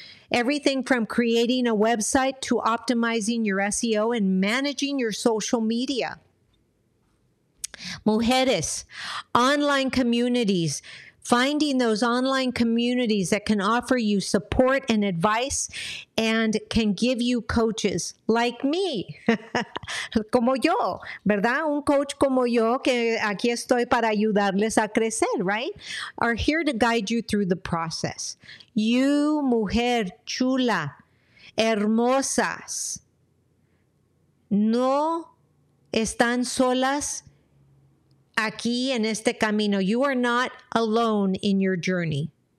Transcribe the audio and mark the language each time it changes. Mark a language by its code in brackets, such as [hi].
[en] Everything from creating a website to optimizing your SEO and managing your social media. Mujeres, online communities, finding those online communities that can offer you support and advice and can give you coaches like me. [es] Como yo, ¿verdad? Un coach como yo que aquí estoy para ayudarles a crecer, right? [en] Are here to guide you through the process. [es] You, mujer chula, hermosas, no están solas aquí en este camino. [en] You are not alone in your journey.